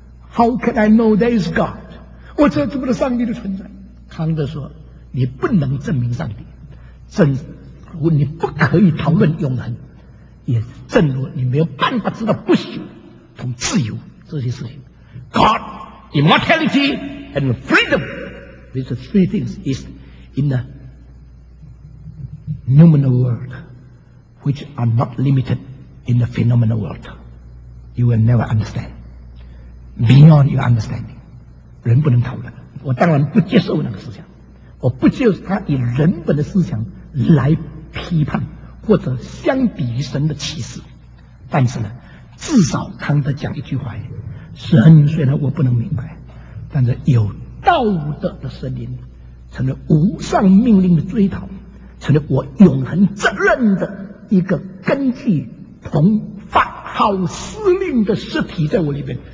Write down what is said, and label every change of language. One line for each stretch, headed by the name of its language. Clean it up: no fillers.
English: How can I know there is God？
Chinese: 我这怎么知道上帝的存在？康德说，你不能证明上帝，正如你不可以讨论永恒，也正如你没有办法知道不朽同自由这些事情。
English: God, immortality and freedom, these three things is in the noumenal world which are not limited in the phenomenal world. You will never understand beyond your understanding.
Chinese: 人不能讨论，我当然不接受那个思想，我不接受他以人本的思想来批判或者相比于神的启示。但是呢，至少康德讲一句话，神虽然我不能明白，但是有道德的声音成为无上命令的追讨，成为我永恒责任的一个根据同发号司令的实体在我里面。